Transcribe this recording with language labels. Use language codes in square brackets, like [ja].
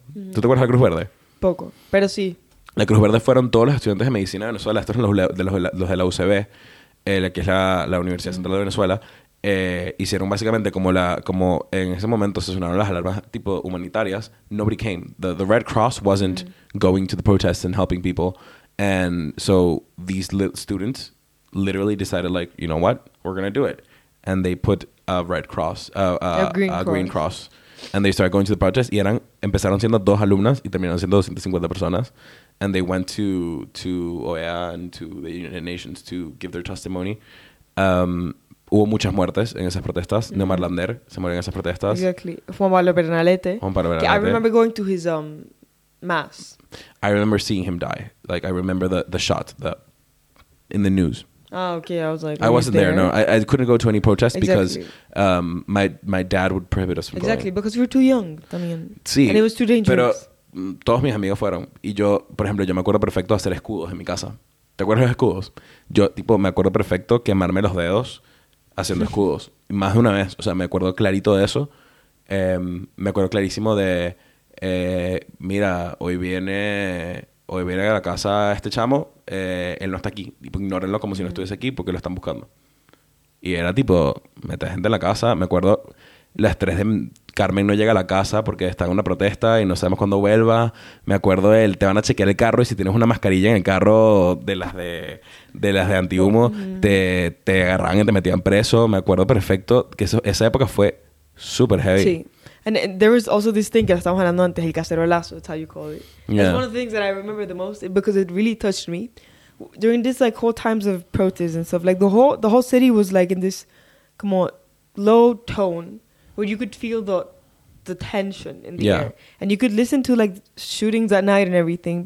[es] Mm-hmm. ¿Tú te acuerdas de la Cruz Verde? Poco, pero sí. La Cruz Verde fueron todos los estudiantes de medicina de Venezuela. Estos eran los de la UCB, que es la Universidad Central de Venezuela. Hicieron básicamente como en ese momento se sonaron las alarmas tipo humanitarias. [en] Nobody came. The Red Cross wasn't going to the protests and helping people. And so these students literally decided, like, you know what? We're going to do it. And they put a Red Cross, a green cross. And they started going to the protests. [es] Y eran, empezaron siendo dos alumnas y terminaron siendo 250 personas. [en] And they went to OEA and to the United Nations to give their testimony. [es] Hubo muchas muertes en esas protestas. Mm-hmm. Neomar Lander se murió en esas protestas. [en] Exactly. Juan Pablo Bernalete. I remember going to his mass. I remember seeing him die. Like, I remember the shot that in the news. Oh, okay. I was like, I wasn't there. No, I couldn't go to any protest because my dad would prohibit us from going. Exactly, because we were too young. [es] También. Sí. [en] And it was too dangerous. [es] Pero todos mis amigos fueron. Y yo, por ejemplo, yo me acuerdo perfecto hacer escudos en mi casa. ¿Te acuerdas de escudos? Yo, tipo, me acuerdo perfecto quemarme los dedos haciendo escudos. Más de una vez. O sea, me acuerdo clarito de eso. Me acuerdo clarísimo de... mira, hoy viene a la casa este chamo. Él no está aquí. Tipo, ignórenlo como si no estuviese aquí porque lo están buscando. Y era tipo, mete gente en la casa. Me acuerdo las tres de... Carmen no llega a la casa porque está en una protesta y no sabemos cuándo vuelva. Me acuerdo de él, te van a chequear el carro y si tienes una mascarilla en el carro de las de antihumo, te agarraban y te metían preso. Me acuerdo perfecto que esa época fue super heavy. Sí. [en] And there was also this thing [es] que estábamos hablando antes, el cacerolazo, [en] that's how you call it. Yeah. It's one of the things that I remember the most because it really touched me. During this like whole times of protests and stuff, like the whole city was like in this como low tone. Where you could feel the tension in the air. And you could listen to, like, shootings at night and everything.